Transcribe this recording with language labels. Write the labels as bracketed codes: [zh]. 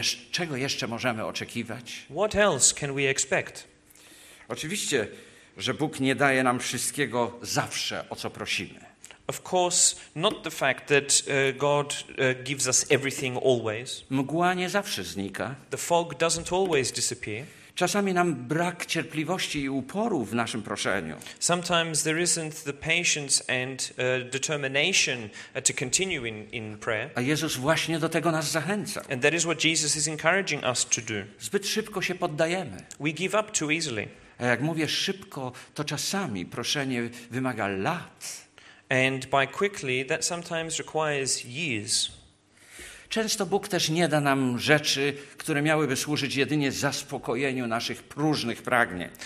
[pl] czego jeszcze możemy oczekiwać? [en] What else can we expect? [pl] Oczywiście, że Bóg nie daje nam wszystkiego zawsze, o co prosimy. [en] Of course, not the fact that God gives us everything always. [pl] Mgła nie zawsze znika. [en] The fog doesn't always disappear. [pl] Czasami nam brak cierpliwości i uporu w naszym proszeniu. [en] Sometimes there isn't the patience and determination to continue in prayer. [pl] A Jezus właśnie do tego nas zachęca. [en] And that is what Jesus is encouraging us to do. [pl] Zbyt szybko się poddajemy. [en] We give up too easily. [pl] A jak mówię szybko, to czasami proszenie wymaga lat. [en] And by quickly, that sometimes requires years. [pl] Często Bóg też nie da nam rzeczy, które miałyby służyć jedynie zaspokojeniu naszych próżnych pragnień.